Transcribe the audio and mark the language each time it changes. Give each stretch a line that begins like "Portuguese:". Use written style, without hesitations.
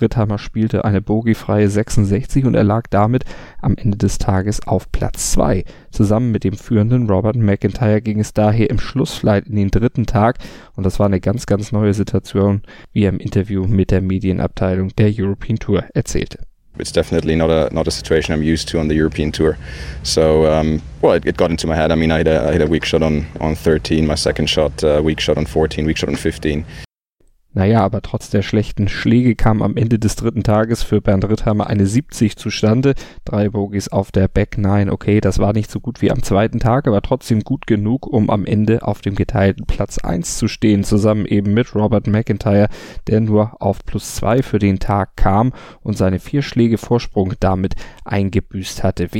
German: Ritthammer spielte eine bogeyfreie 66 und er lag damit am Ende des Tages auf Platz 2. Zusammen mit dem führenden Robert McIntyre ging es daher im Schlussflight in den dritten Tag und das war eine ganz, ganz neue Situation, wie er im Interview mit der Medienabteilung der European Tour erzählte.
English: It's definitely not a situation I'm used to on the European Tour. So, it got into my head. I mean, I had a weak shot on 13, my second shot, weak shot on 14, weak shot on 15.
German: Naja, aber trotz der schlechten Schläge kam am Ende des dritten Tages für Bernd Ritthammer eine 70 zustande. Drei Bogies auf der Back 9, okay, das war nicht so gut wie am zweiten Tag, aber trotzdem gut genug, um am Ende auf dem geteilten Platz 1 zu stehen, zusammen eben mit Robert McIntyre, der nur auf plus 2 für den Tag kam und seine 4 Schläge Vorsprung damit eingebüßt hatte.